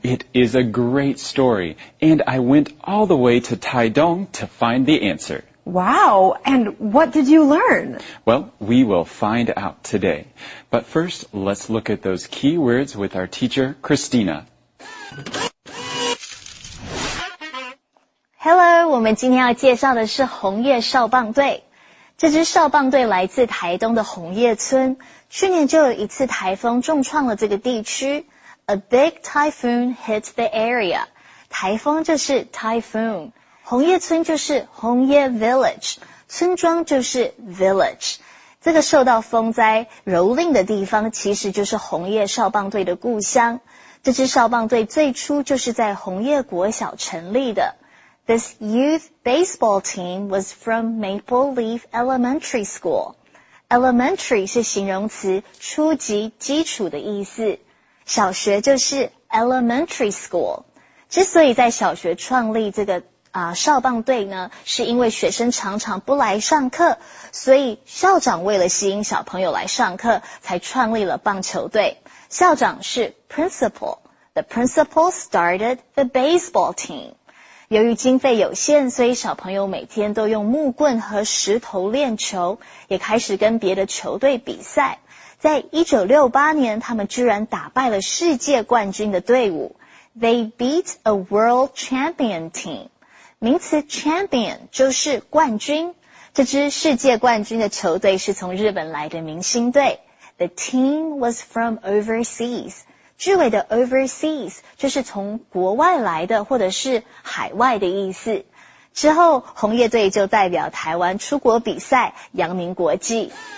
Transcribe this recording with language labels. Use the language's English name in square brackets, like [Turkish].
[English] It is a great story, and I went all the way to Taidong to find the answer. Wow, and what did you learn? Well, we will find out today. But first, let's look at those key words with our teacher, Christina. Hello, [Chinese] 我们今天要介绍的是红叶少棒队。这支少棒队来自台东的红叶村，去年就有一次台风重创了这个地区。 [English] A big typhoon hit the area. [Chinese] 台风就是 typhoon. 红叶村就是红叶 village. 村庄就是 village. 这个受到风灾蹂躏的地方其实就是红叶少棒队的故乡。这支少棒队最初就是在红叶国小成立的。 [English] This youth baseball team was from Maple Leaf Elementary School. [Chinese] Elementary 是形容词初级基础的意思。小学就是 elementary school. 之所以在小学创立这个少棒队呢，是因为学生常常不来上课，所以校长为了吸引小朋友来上课，才创立了棒球队。校长是 principal. [English] The principal started the baseball team. [Chinese] 由于经费有限，所以小朋友每天都用木棍和石头练球，也开始跟别的球队比赛。在1968年，他们居然打败了世界冠军的队伍。 [English] They beat a world champion team. [Chinese] 名词 champion 就是冠军。这支世界冠军的球队是从日本来的明星队。 [English] The team was from overseas. [Chinese] 句尾的 overseas 就是从国外来的或者是海外的意思。之后红叶队就代表台湾出国比赛，扬名国际。